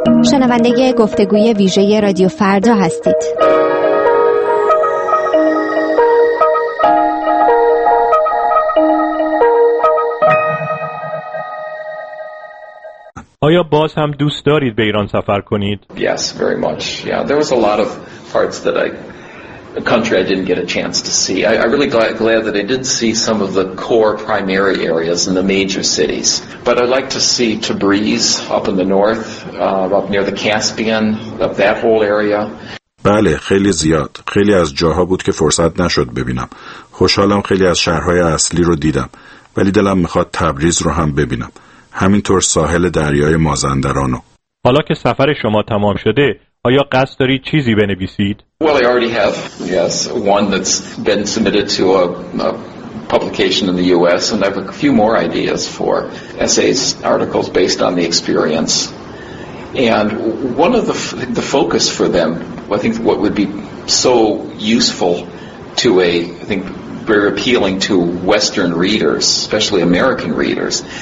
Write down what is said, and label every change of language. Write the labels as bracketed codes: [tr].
[fa] شنونده گفتگوی ویژه رادیو فردا هستید. آیا باز هم دوست دارید به ایران سفر کنید؟ [en] Yes, very much. Yeah, there was a lot of parts that I country I didn't get a chance to see. I really glad that I did see some of the core primary areas in the major cities. But I'd like to see Tabriz up in the north, up near the Caspian, up that whole area. [fa] بله، خیلی زیاد. خیلی از جاها بود که فرصت نشد ببینم. خوشحالم خیلی از شهرهای اصلی رو دیدم. ولی دلم میخواد تبریز رو هم ببینم. همینطور ساحل دریای مازندران رو. حالا که سفر شما تمام شده، آیا قصد دارید چیزی بنویسید؟ [en] Well, I already have, yes, one that's been submitted to a publication in the U.S. and I have a few more ideas for essays, articles based on the experience. And one of the focus for them, I think what would be so useful to a, I think, very appealing to Western readers, especially American readers.